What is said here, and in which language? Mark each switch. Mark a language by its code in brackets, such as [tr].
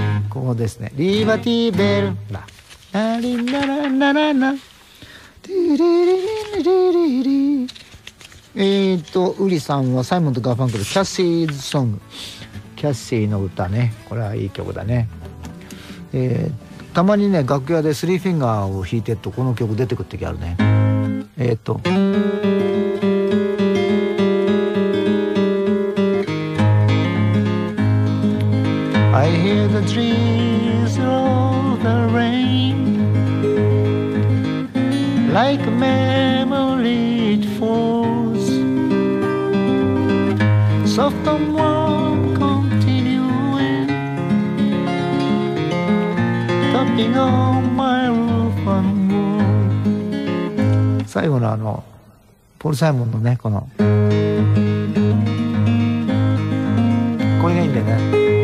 [ja] こうですね、リバティベルだ、ラリンララララナ、ディリリリリリリリ、ウリさんはサイモンとガファンクル、キャッシーズソング、キャッシーの歌ね、これはいい曲だね。たまにね楽屋でスリーフィンガーを弾いてるとこの曲出てくる時あるね。 [en] I hear the trees roll the rain, like a memory it falls. Soft and warm continuing, topping on my roof and wall. [ja] 最後のあのポール・サイモンのね、この声がいいんだよね。